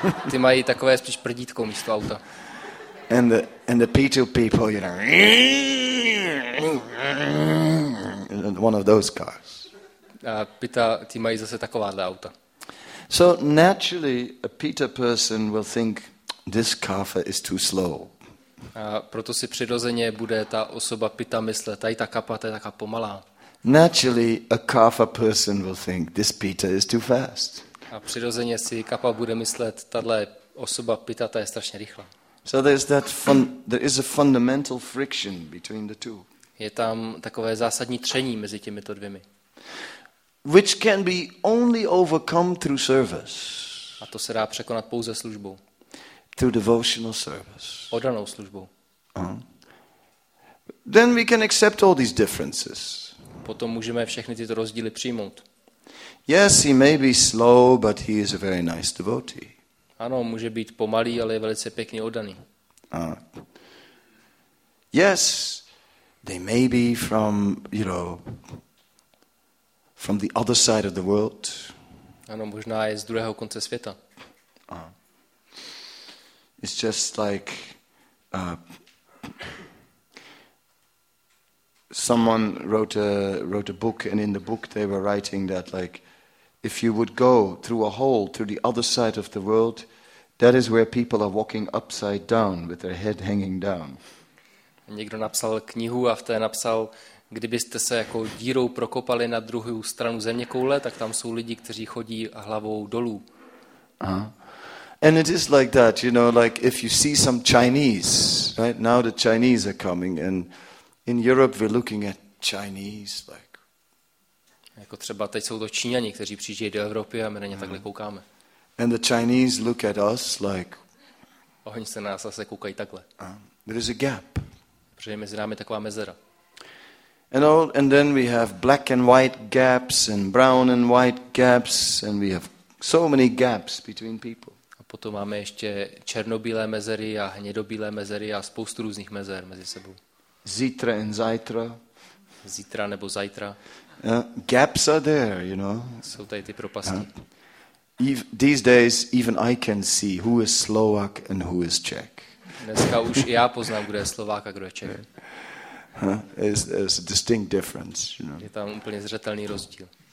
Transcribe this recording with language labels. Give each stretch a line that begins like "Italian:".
Czech: Ty mají takové spíš prdítko místo auta.
English: And the Pitta people, you know, one of those cars.
Czech: Pitta, ty mají zase takováhle auta.
English: So naturally, a Pitta person will think this kapha is too slow.
Czech: Proto si přirozeně bude ta osoba Pitta myslet, tady ta kapha, ta je taká pomalá.
English: Naturally, a kapha person will think this Pitta is too fast.
Czech: A přirozeně si kapha bude myslet, tahle osoba Pitta, ta je strašně rychlá.
English: So there is a fundamental friction between the two.
Czech: Je tam takové zásadní tření mezi těmito dvěmi.
English: Which can be only overcome through service.
Czech: A to se dá překonat pouze službou.
English: Through devotional service.
Czech: Oddanou službou.
English: Uh-huh. Then we can accept all these differences.
Czech: Potom můžeme všechny tyto rozdíly přijmout.
English: Yes, he may be slow, but he is a very nice devotee.
Czech: Ano, může být pomalý, ale je velice pěkně oddaný.
English: Yes, they may be from, you know, from the other side of the world.
Czech: Ano, možná je z druhého konce světa.
English: It's just like someone wrote a book, and in the book they were writing that like, if you would go through a hole through the other side of the world. That is where people are walking upside down with their head hanging down.
Czech: Někdo napsal knihu a v té napsal, kdybyste se jako dírou prokopali na druhou stranu zeměkoule, tak tam jsou lidi, kteří chodí hlavou dolů. Uh-huh.
English: And it is like that, you know, like if you see some Chinese, right? Now the Chinese are coming and in Europe we're looking at Chinese like.
Czech: Jako třeba teď jsou to Číňani, kteří přijíždějí do Evropy a my na ně takhle koukáme.
English: And the Chinese look at us like.
Czech: Oni se na nás zase koukají takhle.
English: There is a gap.
Czech: Protože mezi námi taková mezera.
English: And then we have black and white gaps and brown and white gaps and we have so many gaps between people.
Czech: A potom máme ještě černobílé mezery a hnědobílé mezery a spoustu různých mezer mezi sebou. Zítra and zajtra. Zítra nebo zajtra.
English: Gaps are there, you know.
Czech: Jsou tady ty propasti.
English: These days even I can see who is Slovak and who is Czech.
Czech: Dneska už já poznám, kdo je Slovák a kdo je Čech.
English: There's a distinct difference, you know.
Czech: Je tam úplně zřetelný rozdíl.